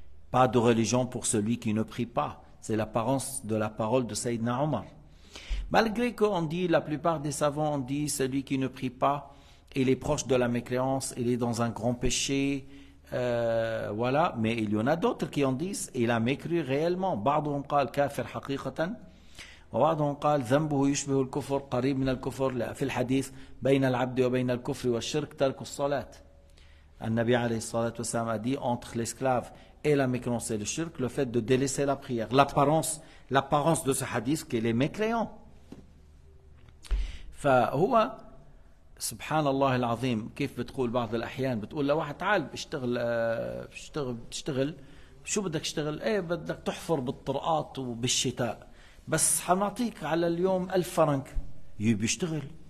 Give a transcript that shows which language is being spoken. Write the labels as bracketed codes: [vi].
[fr] Pas de religion pour celui qui ne prie pas. C'est l'apparence de la parole de Sayyidina Omar. Malgré qu'on dit, la plupart des savants ont dit celui qui ne prie pas il est proche de la mécréance, il est dans un grand péché, voilà. Mais il y en a d'autres qui en disent, il a mécru réellement. [ar] بعضهم قال كافر حقيقة وبعضهم قال ذنبه يشبه الكفر قريب من الكفر في الحديث بين العبد وبين الكفر والشرك ترك الصلاة. النبي عليه الصلاة والسلام [fr] a dit entre l'esclave et la mécréance et le shirk, le fait de délaisser la prière. L'apparence de ce hadith qu'il est mécréant. [ar] فهو سبحان الله العظيم كيف بتقول بعض الأحيان بتقول له واحد تعال بشتغل بشتغل شو بدك تشتغل إيه بدك تحفر بالطرقات وبالشتاء بس حنعطيك على اليوم 1000 فرنك بيشتغل